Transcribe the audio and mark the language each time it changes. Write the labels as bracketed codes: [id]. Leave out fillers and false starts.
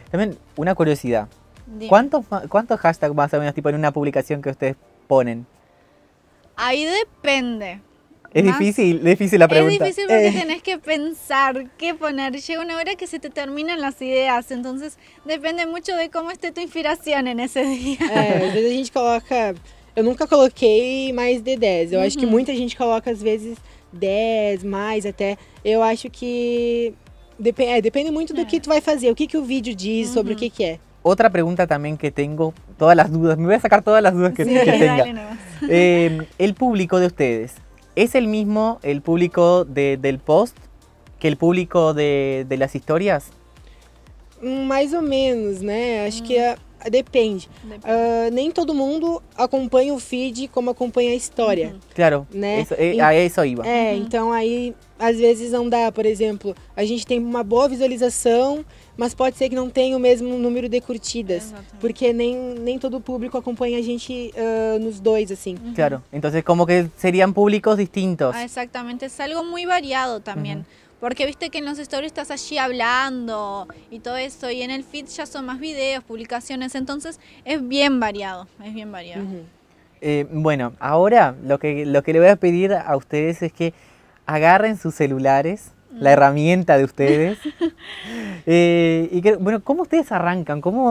[es] También, una curiosidad. ¿Cuántos hashtags más o menos tipo en una publicación que ustedes ponen? Ahí depende. Es difícil la pregunta. Es difícil porque tenés que pensar qué poner. Llega una hora que se te terminan las ideas, entonces depende mucho de cómo esté tu inspiración en ese día. A veces [pt] a gente coloca, Eu nunca coloquei mais de 10. Eu acho que muita gente coloca, às vezes, 10, mais até. Eu acho que depende muito do que tu vai fazer, o que, que o vídeo diz sobre o que, que é. Outra pergunta também que tenho, todas as dúvidas, me vou sacar todas as dúvidas que tenha. [es] El público de ustedes, ¿es el mismo el público del post que el público de las historias? Más o menos, ¿no? [pt] Acho que depende. Nem todo mundo acompanha o feed como acompanha a história. Claro, né? Isso aí, é, então aí, às vezes não dá. Por exemplo, a gente tem uma boa visualização, mas pode ser que não tenha o mesmo número de curtidas. Exatamente. Porque nem todo o público acompanha a gente nos dois, assim. Claro, então como que seriam públicos distintos. Ah, exatamente, é algo muito variado também. [es] Porque viste que en los stories estás allí hablando y todo eso, y en el feed ya son más videos, publicaciones, entonces es bien variado, es bien variado. Bueno, ahora lo que le voy a pedir a ustedes es que agarren sus celulares, la herramienta de ustedes, y que, bueno, ¿cómo ustedes arrancan?